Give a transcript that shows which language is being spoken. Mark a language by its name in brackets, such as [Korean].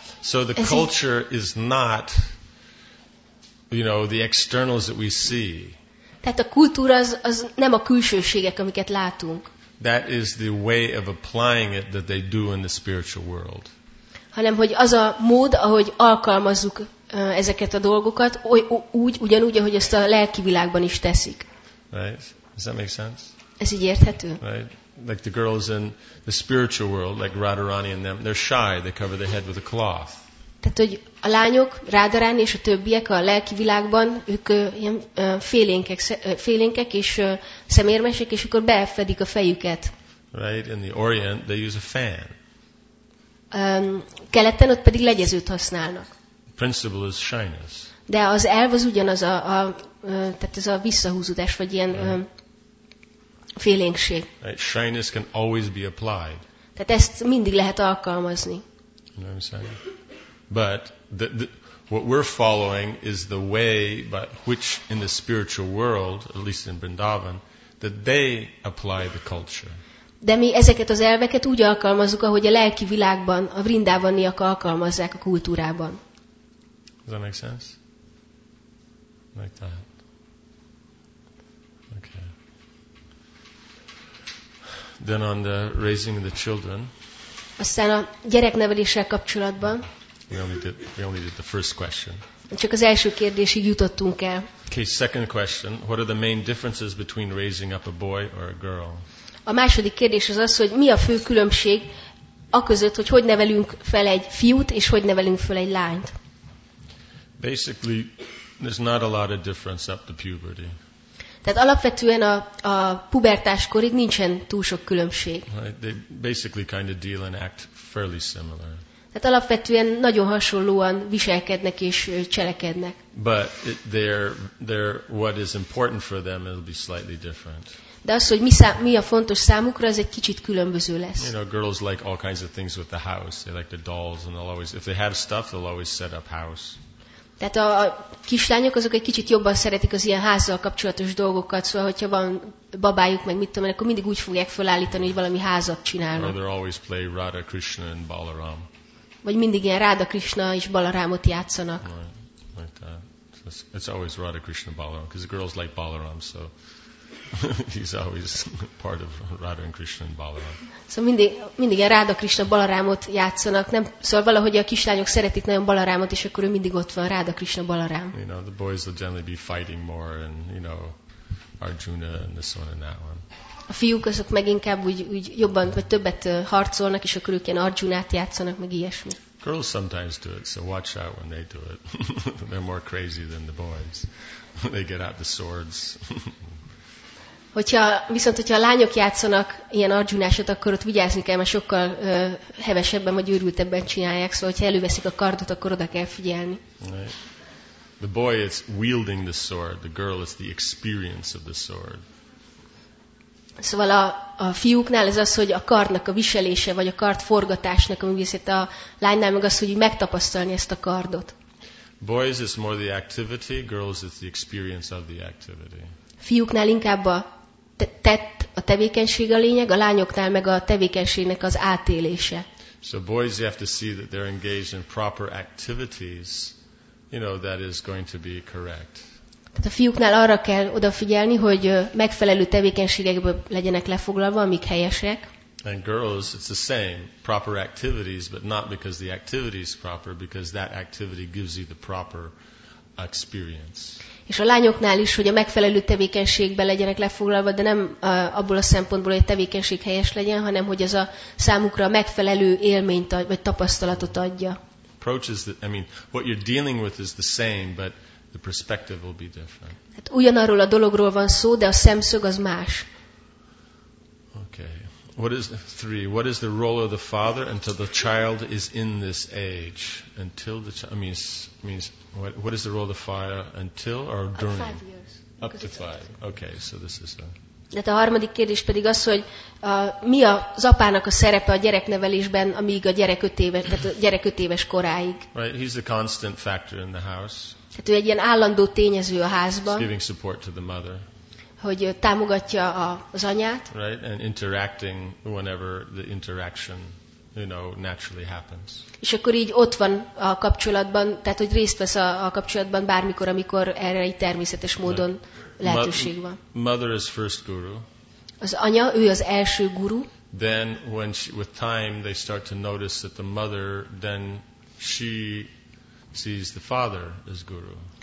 [English] So the culture is not, you know, the externals that we see. [Hungarian] Tehát a kultúra az nem a külsőségek, amiket látunk. [English] That is the way of applying it that they do in the spiritual world. [Hungarian] Hanem, hogy az a mód, ahogy alkalmazzuk ezeket a dolgokat, ugyanúgy, ahogy ezt a lelki világban is teszik. [English] Right? Does that make sense? [Hungarian] Ez így érthető? [English] Right? Like the girls in the spiritual world, like Radharani and them, they're shy, they cover their head with a cloth. [Hungarian] Tehát, hogy a lányok, Radharani és a többiek a lelki világban, ők ilyen félénkek és szemérmesek, és akkor befedik a fejüket. [English] Right? In the Orient, they use a fan. [Hungarian] Keleten ott pedig legyezőt használnak. [English] Principle is shyness. [Hungarian] De az elv az ugyanaz a tehát ez a visszahúzódás vagy ilyen félénkség. [English] Right. Shyness can always be applied. [Hungarian] Tehát ezt mindig lehet alkalmazni. [English] You know what I'm saying? But what we're following is the way by which in the spiritual world, at least in Vrindavan, that they apply the culture. [Hungarian] De mi ezeket az elveket úgy alkalmazzuk, ahogy a lelki világban, a vrindávaniak alkalmazzák a kultúrában. [English] Does that make sense? Like that. Okay. Then on the raising of the children. [Hungarian] Aztán a gyerekneveléssel kapcsolatban. [English] We only did the first question. [Hungarian] Csak az első kérdésig jutottunk el. [English] Okay, second question. What are the main differences between raising up a boy or a girl? [Hungarian] A második kérdés az, hogy mi a fő különbség a között, hogy hogyan nevelünk fel egy fiút és hogyan nevelünk fel egy lányt. [English] Basically, there's not a lot of difference up to puberty. [Hungarian] Tehát alapvetően a pubertás korig nincsen túl sok különbség. [English] Right? They basically kind of deal and act fairly similar. [Hungarian] Tehát alapvetően nagyon hasonlóan viselkednek és cselekednek. [English] But they're what is important for them will be slightly different. [Hungarian] De az, hogy mi a fontos számukra, az egy kicsit különböző lesz. [English] You know, girls like all kinds of things with the house. They like the dolls and if they have stuff, they'll always set up house. [Hungarian] Tehát a kislányok azok egy kicsit jobban szeretik az ilyen házzal kapcsolatos dolgokat, szóval hogyha van babájuk, meg mit tudom, akkor mindig úgy fogják felállítani, hogy valami házat csinálnak. [English] Or they always play Radha Krishna and Balaram. [Hungarian] Vagy mindig ilyen Radha Krishna és Balarámot játszanak. [English] Right. Like it's always Radha Krishna Balaram, because the girls like Balaram, so he's always part of Radha and Krishna and Balaram. [Hungarian] Szóval mindig ilyen Radha Krishna Balarámot játszanak, nem, szóval valahogy a kislányok szeretik nagyon Balarámot, és akkor ő mindig ott van, Radha Krishna Balarám. [English] You know, the boys will generally be fighting more, and you know, Arjuna and this one and that one. [Hungarian] A fiúk azok meg inkább úgy jobban, vagy többet harcolnak, és akkor ők ilyen Arjunát játszanak, meg ilyesmi. [English] Girls sometimes do it, so watch out when they do it. They're more crazy than the boys. They get out the swords. [Hungarian] Hogyha a lányok játszanak ilyen Arjunásat, akkor ott vigyázni kell, mert sokkal hevesebben vagy őrültebben csinálják, szóval hogyha előveszik a kardot, akkor oda kell figyelni. [English] Right. The boy is wielding the sword. The girl is the experience of the sword. [Hungarian] Szóval a fiúknál ez az, hogy a kardnak a viselése, vagy a kard forgatásnak, ami viszont a lánynál meg az, hogy megtapasztalni ezt a kardot. [English] Boys is more the activity, girls is the experience of the activity. [Hungarian] Fiúknál inkább a tett, a tevékenység a lényeg, a lányoknál meg a tevékenységnek az átélése. [English] So boys, you have to see that they're engaged in proper activities, you know, that is going to be correct. [Hungarian] Tehát a fiúknál arra kell odafigyelni, hogy megfelelő tevékenységekből legyenek lefoglalva, amik helyesek. [English] And girls, it's the same, proper activities, but not because the activity is proper, because that activity gives you the proper experience. [Hungarian] És a lányoknál is, hogy a megfelelő tevékenységben legyenek lefoglalva, de nem abból a szempontból, hogy a tevékenység helyes legyen, hanem hogy ez a számukra a megfelelő élményt vagy tapasztalatot adja. [English] Approaches that, I mean, what you're dealing with is the same, but the perspective will be different. [Hungarian] Hát ugyanarról a dologról van szó, de a szemszög az más. [English] Okay. What is three? What is the role of the father until the child is in this age? Until the child means what is the role of the father until or during? Up 5 years. Up to five. Okay, so this is a. [Hungarian] Tehát a harmadik kérdés pedig az, hogy mi az apának a szerepe a gyereknevelésben, amíg a gyerek öt éves koráig. [English] Right, he's the constant factor in the house. [Hungarian] Tehát ő egy ilyen állandó tényező a házban. [English] Giving support to the mother. [Hungarian] Hogy támogatja az anyát. [English] Right, and interacting whenever the interaction, you know, naturally happens. [Hungarian] És akkor így ott van a kapcsolatban, tehát hogy részt vesz a kapcsolatban bármikor, amikor erre egy természetes módon lehetőség van. [English] Mother is first guru. [Hungarian] Az anya, ő az első guru. [English] Then when with time they start to notice that the mother, then she sees the father as guru.